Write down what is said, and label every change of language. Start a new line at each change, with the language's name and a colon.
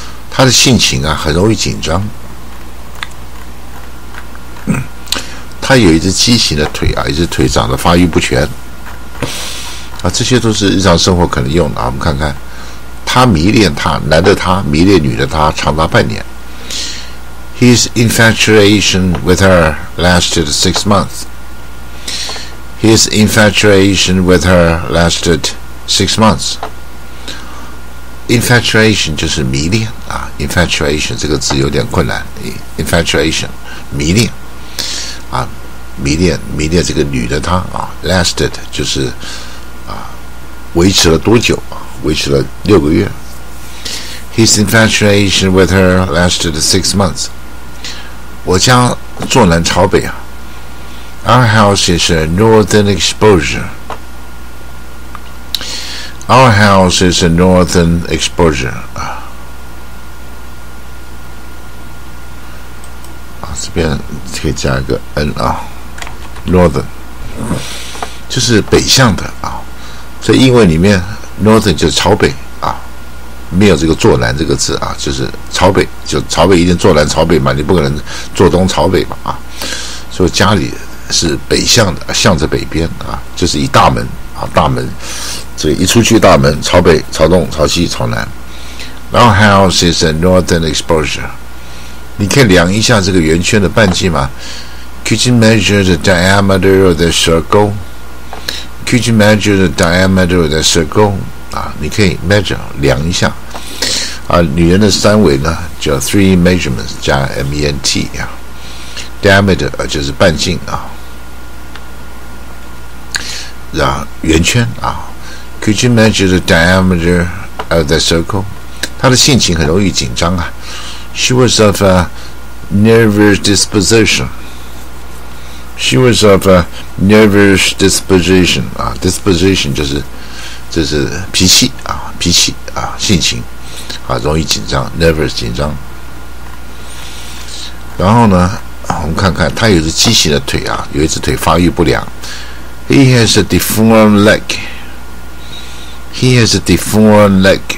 Chinese: 他的性情啊，很容易紧张。他有一只畸形的腿啊，一只腿长得发育不全。啊，这些都是日常生活可能用的啊。我们看看，他迷恋他，男的他迷恋女的他，长达半年。
English: His infatuation with her lasted 6 months. His infatuation with her lasted 6 months.
Chinese: Infatuation 就是迷恋啊 ，infatuation 这个字有点困难。 Infatuation 迷恋啊，迷恋这个女的她啊 ，lasted 就是啊，维持了多久啊？维持了6个月。
English: His infatuation with her lasted 6 months.
Chinese: 我家坐南朝北啊。
English: Our house is a northern exposure. Our house is a northern exposure.
Chinese: 啊，这边可以加一个 N 啊 ，northern 就是北向的啊。所以英文里面 northern 就是朝北啊，没有这个坐南这个字啊，就是朝北，就朝北一定坐南朝北嘛，你不可能坐东朝北嘛啊。所以家里。是北向的，向着北边啊，就是一大门啊，大门，这一出去大门，朝北、朝东、朝西、朝南。
English: Our house is a northern exposure. 你可以量一下这个圆圈的半径吗？Could you measure the diameter of the circle? Could you measure the diameter of the circle?
Chinese: 啊，你可以 measure 量一下啊，女人的三围呢，叫 three measurements 加 ment 啊。 Diameter 就是半径啊，啊圆圈啊。
English: Could you measure the diameter of the circle?
Chinese: 他的性情很容易紧张啊。
English: She was of a nervous disposition. She was of a nervous disposition.
Chinese: 啊 ，disposition 就是脾气啊，脾气啊，性情啊，容易紧张 ，nervous 紧张。然后呢？啊、我们看看他有只畸形的腿啊，有一只腿发育不良。
English: He has a deformed leg. He has a deformed leg.